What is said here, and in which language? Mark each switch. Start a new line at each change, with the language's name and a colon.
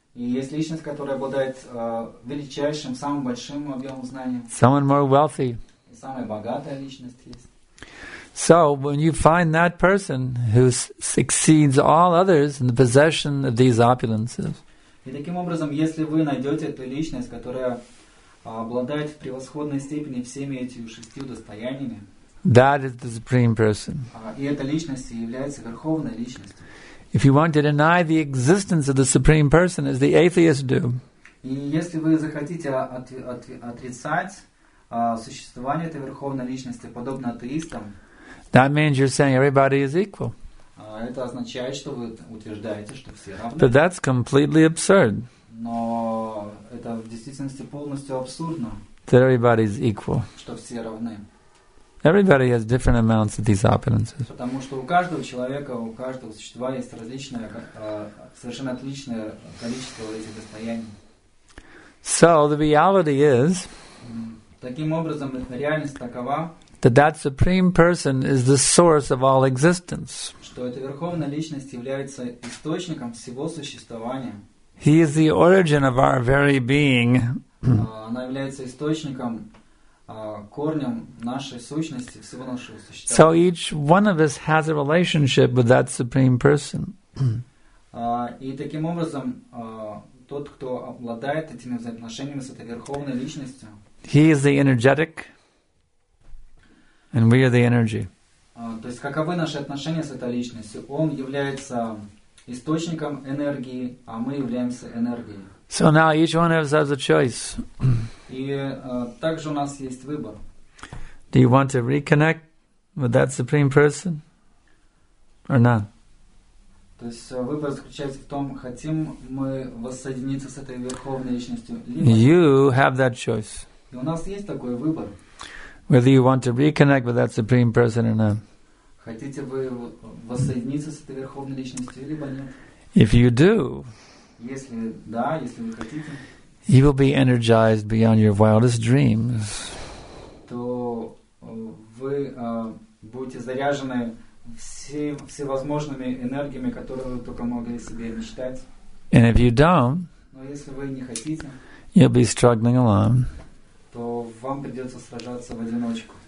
Russian: И есть личность, которая обладает величайшим, самым большим объемом знания.
English: Someone more wealthy.
Russian: И самая богатая личность есть.
English: So when you find that person who exceeds all others in the possession of these opulences.
Russian: И таким образом, если вы найдете ту личность, которая обладает в превосходной степени всеми этими шестью достояниями.
English: That is the supreme person.
Russian: И эта личность является верховной личностью.
English: If you want to deny the existence of the supreme person, as the atheists do.
Russian: И если вы захотите отрицать существование этой верховной личности, подобно атеистам.
English: That means you're saying everybody is equal.
Russian: Это означает, что вы утверждаете, что все равны.
English: But that's completely absurd.
Russian: Но это в действительности полностью абсурдно.
English: That everybody is equal.
Russian: Что все равны.
English: Everybody has different amounts of these opulences.
Russian: Потому что у каждого человека, у каждого существа есть различное, совершенно отличное количество этих достояний.
English: So the reality is.
Russian: Таким образом, реальность такова.
English: That supreme person is the source of all existence.
Russian: Что эта верховная личность является источником всего существования.
English: He is the origin of our very being.
Russian: Она является источником, корнем нашей сущности, всего нашего существования.
English: So each one of us has a relationship with that supreme person.
Russian: И таким образом, тот, кто обладает этими взаимоотношениями с этой верховной личностью.
English: He is the energetic. And we are the energy.
Russian: То есть каковы наши отношения с этой личностью? Он является источником энергии, а мы являемся энергией.
English: So now each one of us has a choice.
Russian: И также у нас есть выбор.
English: Do you want to reconnect with that supreme person or not?
Russian: То есть выбор заключается в том, хотим мы воссоединиться с этой верховной личностью.
English: You have that choice.
Russian: И у нас есть такой выбор.
English: Whether you want to reconnect with that supreme person or not.
Russian: Хотите вы воссоединиться с этой верховной личностью или нет?
English: If you do,
Russian: если да, если вы хотите,
English: you will be energized beyond your wildest dreams.
Russian: То вы будете заряжены всевозможными энергиями, которые вы только могли себе мечтать.
English: And if you don't,
Russian: но если вы не хотите,
English: you'll be struggling alone.
Russian: То вам придется сражаться в одиночку.